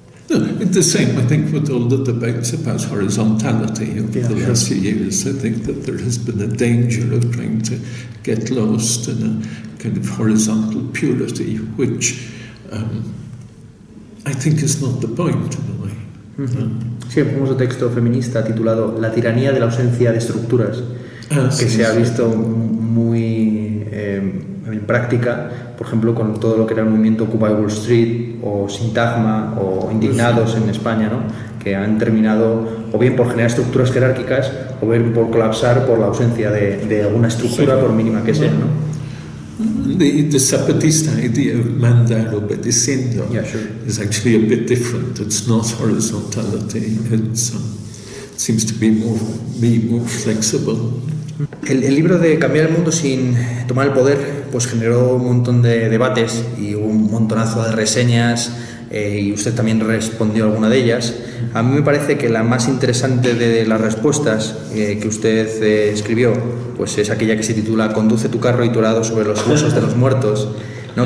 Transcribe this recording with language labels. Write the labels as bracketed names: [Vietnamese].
[English] No, it's the same, I think, with all the debates about horizontality over the last few years. I think that there has been a danger of trying to get lost in a kind of horizontal purity, which I think is not the point, in a way. [Spanish] Sí, un famoso texto feminista titulado La tiranía de la ausencia de estructuras, que se ha visto muy en práctica, por ejemplo, con todo lo que era el movimiento Occupy Wall Street o Sintagma o Indignados en España, ¿no? Que han terminado o bien por generar estructuras jerárquicas o bien por colapsar por la ausencia de alguna estructura, por mínima que sea, ¿no? [English] The Zapatista idea of [Spanish] mandar obedeciendo [English] is actually a bit different. It's not horizontality. It's, it seems to be more flexible. [Spanish] El libro de Cambiar el mundo sin tomar el poder pues generó un montón de debates y un montonazo de reseñas y usted también respondió alguna de ellas. A mí me parece que la más interesante de las respuestas que usted escribió pues es aquella que se titula Conduce tu carro y tu arado sobre los huesos de los muertos, ¿no?